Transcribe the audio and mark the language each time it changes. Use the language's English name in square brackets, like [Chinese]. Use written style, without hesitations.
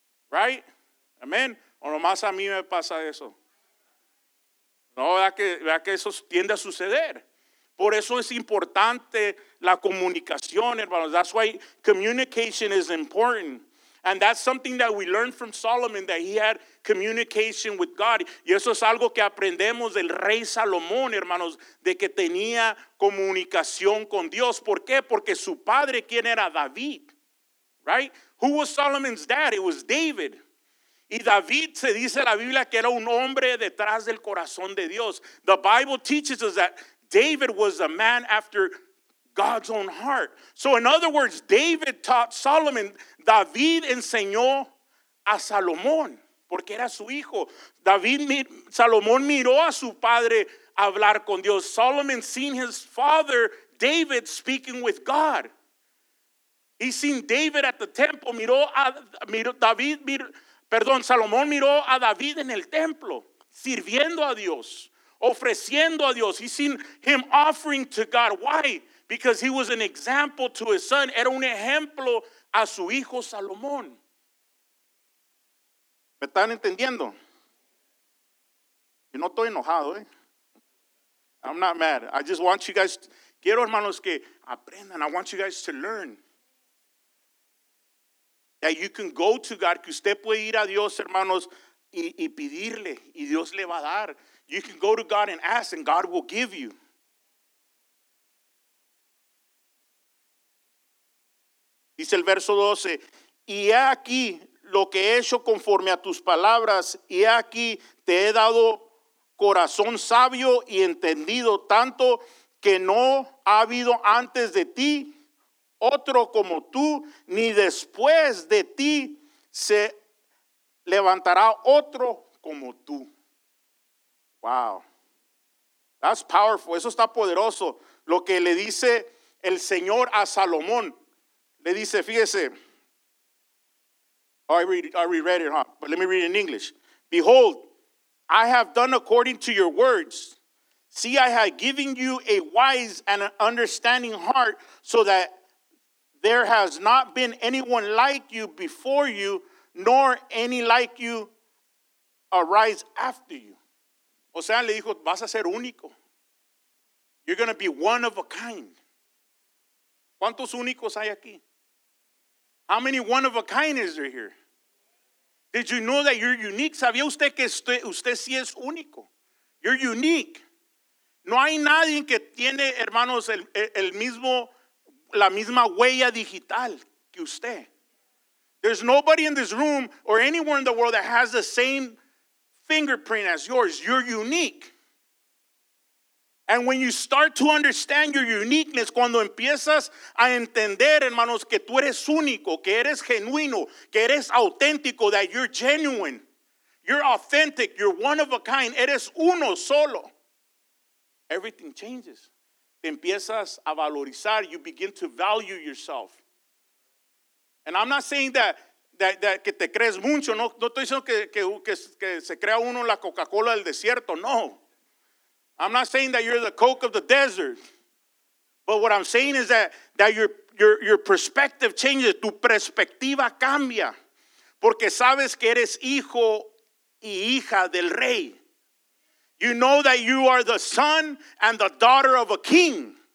[Spanish] Right? Amen. O nomás a mí me pasa eso. No, ¿verdad que eso tiende a suceder? Por eso es importante la comunicación, hermanos. [English] That's why communication is important. And that's something that we learned from Solomon, that he had communication with God. [Spanish] Y eso es algo que aprendemos del rey Salomón, hermanos, de que tenía comunicación con Dios. ¿Por qué? Porque su padre, ¿quién era? David, right? [English] Who was Solomon's dad? It was David. [Spanish] Y David, se dice en la Biblia, que era un hombre detrás del corazón de Dios. [English] The Bible teaches us that David was a man after God's own heart. So in other words, David taught Solomon. [Spanish] David enseñó a Salomón, porque era su hijo. Salomón miró a su padre hablar con Dios. [English] Solomon seen his father, David, speaking with God. He seen David at the temple. [Spanish] Salomón miró a David en el templo, sirviendo a Dios, ofreciendo a Dios. [English] He seen him offering to God. Why? Because he was an example to his son. [Spanish] Era un ejemplo a su hijo Salomón. ¿Me están entendiendo? Yo no estoy enojado, eh. [English] I'm not mad. I just want you guys, [Spanish] quiero hermanos que aprendan. [English] I want you guys to learn. That you can go to God, [Spanish] que usted puede ir a Dios, hermanos, y pedirle, y Dios le va a dar. [English] You can go to God and ask, and God will give you. [Spanish] Dice el verso 12, y he aquí lo que he hecho conforme a tus palabras, y he aquí te he dado corazón sabio y entendido, tanto que no ha habido antes de ti otro como tú, ni después de ti se levantará otro como tú. [English] Wow. That's powerful. [Spanish] Eso está poderoso. Lo que le dice el Señor a Salomón. Le dice, fíjese. [English] Oh, I already read it, huh? But let me read it in English. Behold, I have done according to your words. See, I have given you a wise and an understanding heart so that there has not been anyone like you before you, nor any like you arise after you. [Spanish] O sea, le dijo, vas a ser único. [English] You're going to be one of a kind. [Spanish] ¿Cuántos únicos hay aquí? [English] How many one of a kind is there here? Did you know that you're unique? [Spanish] ¿Sabía usted que usted sí es único? [English] You're unique. [Spanish] No hay nadie que tiene, hermanos, la misma huella digital que usted. [English] There's nobody in this room or anywhere in the world that has the same fingerprint as yours. You're unique. And when you start to understand your uniqueness, [Spanish] cuando empiezas a entender, hermanos, que tú eres único, que eres genuino, que eres auténtico, [English] that you're genuine, you're authentic, you're one of a kind, [Spanish] eres uno solo, [English] everything changes. [Spanish] Te empiezas a valorizar, [English] you begin to value yourself. And I'm not saying that [Spanish] que te crees mucho, no, no estoy diciendo que se crea uno la Coca-Cola del desierto, no. [English] I'm not saying that you're the Coke of the desert. But what I'm saying is that your perspective changes, [Spanish] tu perspectiva cambia. Porque sabes que eres hijo y hija del rey. [English] You know that you are the son and the daughter of a king.